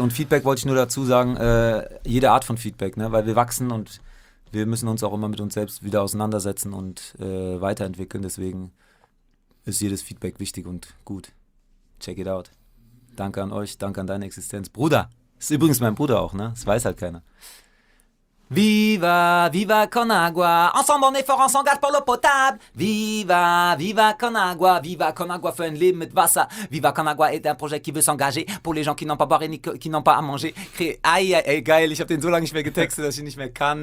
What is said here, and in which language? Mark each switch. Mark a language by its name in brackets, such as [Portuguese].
[German] Und Feedback wollte ich nur dazu sagen, jede Art von Feedback, ne? Weil wir wachsen und wir müssen uns auch immer mit uns selbst wieder auseinandersetzen und weiterentwickeln. Deswegen ist jedes Feedback wichtig und gut. [English] Check it out. [German] Danke an euch, danke an deine Existenz. Bruder, ist übrigens mein Bruder auch, ne? Das weiß halt keiner. [French] Viva, viva Con Agua, ensemble on est fort, on s'engage pour l'eau potable. [German] Viva, viva Con Agua, viva Con Agua für ein Leben mit Wasser. [French] Viva Con Agua est un projet qui veut s'engager pour les gens qui n'ont pas boire et qui n'ont pas à manger. Créer, aïe, [German] ey, geil, ich hab den so lange nicht mehr getextet, dass ich nicht mehr kann.